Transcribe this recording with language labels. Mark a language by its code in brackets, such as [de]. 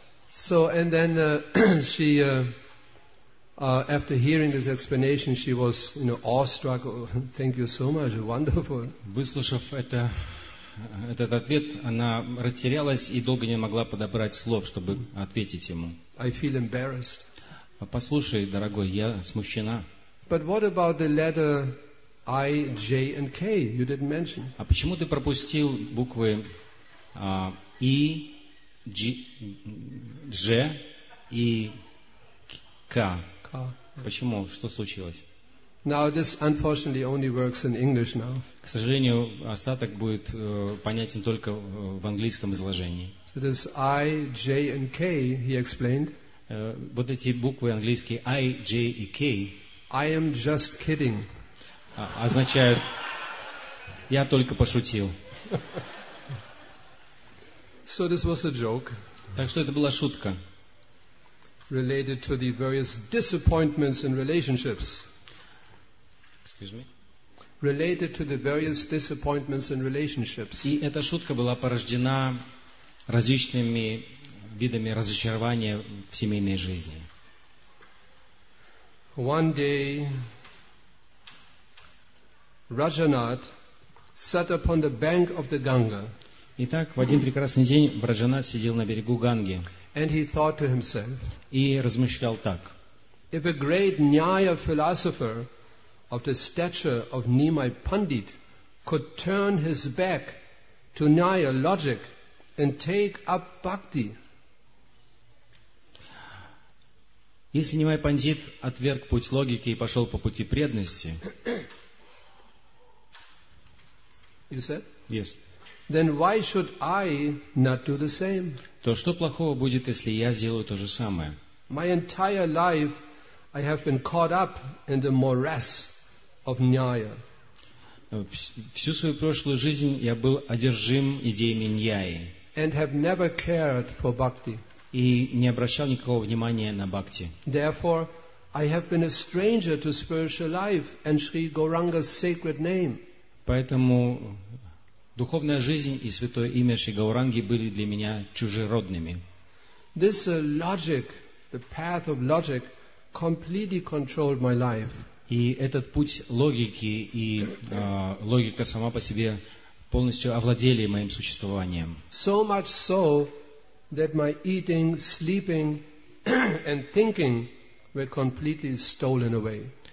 [en] So and then she after hearing this explanation she was, you know, awestruck. Oh, thank you so much. Wonderful. [ru] Выслушав этот ответ, она растерялась и долго не могла подобрать слов, чтобы ответить ему. [en] I feel embarrassed. [ru] Послушай, дорогой, я смущена. [en] But what about the letter I, J and K? You didn't mention. [ru] А почему ты пропустил буквы I, G, J и K? K. Почему? Что случилось? [en] Now this unfortunately only works in English now. [ru] К сожалению, остаток будет понятен только в английском изложении. [en] So this I, J and K, he explained. [ru] Вот эти буквы английские I, J и K. [en] I am just kidding. [ru] Означают я только пошутил. [en] So this was a joke. [ru] Так что это была шутка. [en] Related to the various disappointments in relationships. Excuse me. Related to the various disappointments in relationships. [ru] И эта шутка была порождена различными видами разочарования в семейной жизни. [en] One day, Rajanath sat upon the bank of the Ganga. [ru] Итак, в один прекрасный день Раджанат сидел на берегу Ганги. [en] And he thought to himself. [ru] И размышлял так. [en] If a great Nyaya philosopher of the stature of Nimai Pandit could turn his back to Nyaya logic and take up bhakti. [ru] Если Нимай Пандит отверг путь логики и пошел по пути преданности, [en] you said? Yes. Then why should I not do the same? [ru] То что плохого будет, если я сделаю то же самое? [en] My entire life I have been caught up in the morass of Nyaya. [ru] Всю свою прошлую жизнь я был одержим идеями Ньяи. [en] And have never cared for bhakti. [ru] И не обращал никакого внимания на бхакти. [en] Therefore, I have been a stranger to spiritual life and Sri Gauranga's sacred name. [ru] Поэтому духовная жизнь и святое имя Шри Гауранги были для меня чужеродными. [en] This logic, the path of logic, completely controlled my life. [ru] И этот путь логики и логика сама по себе полностью овладели моим существованием. [en] So much so that my eating, sleeping and thinking were completely stolen away.